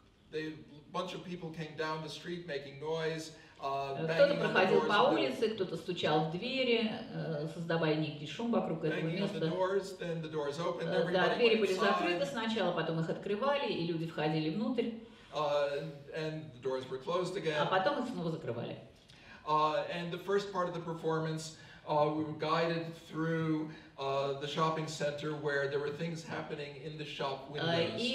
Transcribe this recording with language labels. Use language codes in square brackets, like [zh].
[en] They, a bunch of people came down the street making noise. [ru] Кто-то проходил по улице, кто-то стучал в двери, создавая некий шум вокруг этого места. Да, двери были закрыты сначала, потом их открывали, и люди входили внутрь. А потом их снова закрывали. [en] And the first part of the performance, we were guided through the shopping center where there were things happening in the shop windows.